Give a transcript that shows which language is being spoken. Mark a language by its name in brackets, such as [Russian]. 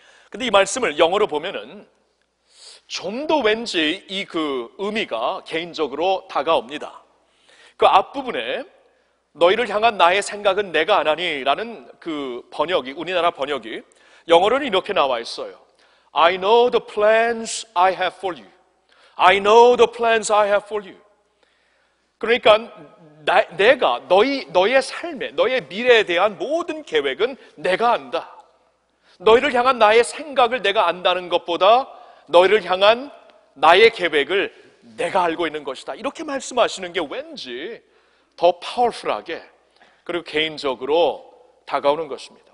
[Korean] 근데 이 말씀을 영어로 보면은 좀 더 왠지 이 그 의미가 개인적으로 다가옵니다. 그 앞부분에 너희를 향한 나의 생각은 내가 안 하니 라는 그 번역이, 우리나라 번역이 영어로는 이렇게 나와 있어요. [English] I know the plans I have for you. I know the plans I have for you. [Korean] 그러니까 내가 너의 삶에, 너의 미래에 대한 모든 계획은 내가 안다. 너희를 향한 나의 생각을 내가 안다는 것보다 너희를 향한 나의 계획을 내가 알고 있는 것이다. 이렇게 말씀하시는 게 왠지 더 파워풀하게 그리고 개인적으로 다가오는 것입니다.